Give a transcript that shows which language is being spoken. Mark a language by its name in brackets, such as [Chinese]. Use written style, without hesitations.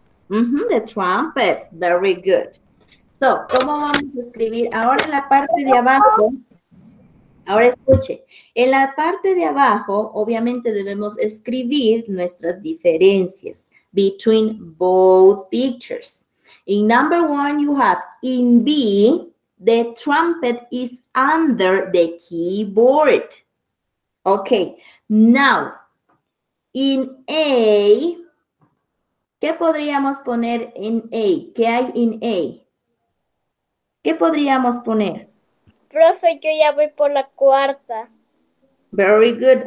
[English] Mm-hmm, the trumpet, very good. So, [Spanish] ¿cómo vamos a escribir? Ahora en la parte de abajo, ahora escuche, en la parte de abajo, obviamente debemos escribir nuestras diferencias [English] between both pictures. In number one, you have, in B, the trumpet is under the keyboard. Okay, now, in A, [Spanish] ¿qué podríamos poner en A? ¿Qué hay en A? ¿Qué podríamos poner? Profe, yo ya voy por la 4. [English] Very good.